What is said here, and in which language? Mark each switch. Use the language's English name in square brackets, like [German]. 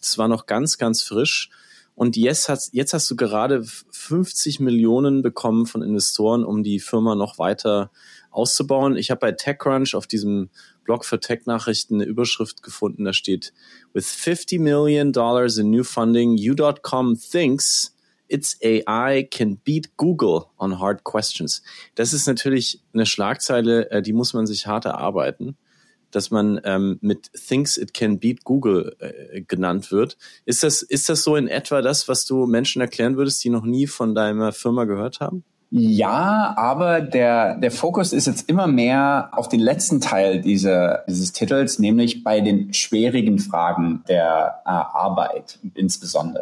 [German] Das war noch ganz, ganz frisch und jetzt hast du gerade 50 Millionen bekommen von Investoren, um die Firma noch weiter auszubauen. Ich habe bei TechCrunch auf diesem Blog für Tech-Nachrichten eine Überschrift gefunden, da steht: [English] With $50 million in new funding, You.com thinks its AI can beat Google on hard questions. [German] Das ist natürlich eine Schlagzeile, die muss man sich hart erarbeiten, dass man mit [English] thinks it can beat Google [German] genannt wird. Ist das so in etwa das, was du Menschen erklären würdest, die noch nie von deiner Firma gehört haben? Ja, aber der Fokus ist jetzt immer mehr auf den letzten Teil dieses Titels, nämlich bei den schwierigen Fragen der Arbeit insbesondere.